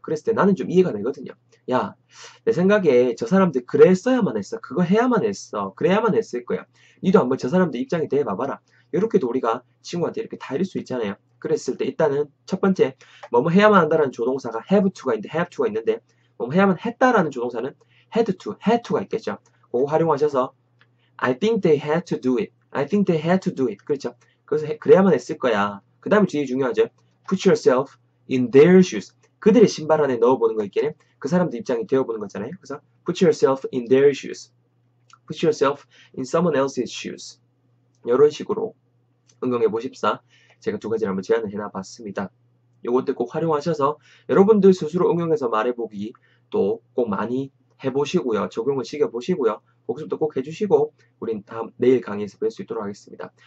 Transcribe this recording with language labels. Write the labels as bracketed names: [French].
[Korean] 그랬을 때 나는 좀 이해가 되거든요. 야, 내 생각에 저 사람들 그랬어야만 했어. 그거 해야만 했어. 그래야만 했을 거야. 너도 한번 저 사람들 입장에 대해 봐봐라. 이렇게도 우리가 친구한테 이렇게 다 이럴 수 있잖아요. 그랬을 때 일단은 첫 번째, 뭐뭐 해야만 한다라는 조동사가 [English] have to [Korean] 가 있는데, have to가 있는데, 뭐뭐 해야만 했다라는 조동사는 [English] had to [Korean] 가 있겠죠. [English] 그거 활용하셔서 I think they had to do it. I think they had to do it. [Korean] 그렇죠? 그래서 그래야만 했을 거야. 그 다음에 제일 중요하죠. [English] Put yourself in their shoes. [Korean] 그들의 신발 안에 넣어보는 거 있겠네. 그 사람들 입장이 되어보는 거잖아요. 그래서 [English] Put yourself in their shoes. Put yourself in someone else's shoes. [Korean] 이런 식으로 응용해 보십사. 제가 두 가지를 한번 제안을 해놔봤습니다. 요것도 꼭 활용하셔서 여러분들 스스로 응용해서 말해보기 또꼭 많이 해보시고요. 적용을 시켜보시고요. 복습도 꼭 해주시고, 우린 다음, 내일 강의에서 뵐수 있도록 하겠습니다.